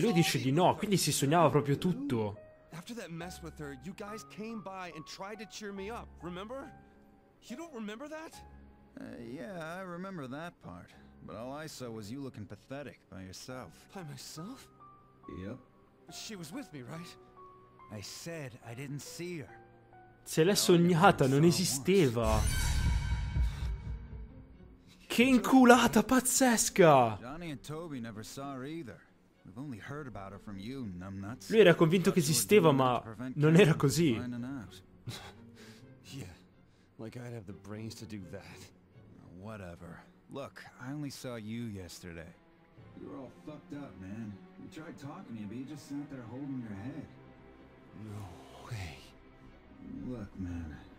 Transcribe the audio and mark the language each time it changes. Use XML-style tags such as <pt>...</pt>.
<it>Lui dice di no, quindi si sognava proprio tutto.</it> <en>After that mess with her, you guys came by and tried to cheer me up, remember? You don't remember that? Yeah, I remember that part. But all I saw was you looking pathetic by yourself. By myself? Yep. She was with me, right? I said I didn't see her.</en> <it>Se l'è sognata, non esisteva. Che inculata pazzesca!</it> <en>Johnny and Toby never saw her either. We've only heard about her from you, numbnuts.</en> <it>Lui era convinto che esisteva, ma non era così.</it> <en>Yeah, like I'd have the brains to do that. Whatever. Look, I only saw you yesterday. You were all fucked up, man. We tried talking to you, but you just sat there holding your head. No way. Look, man.</en>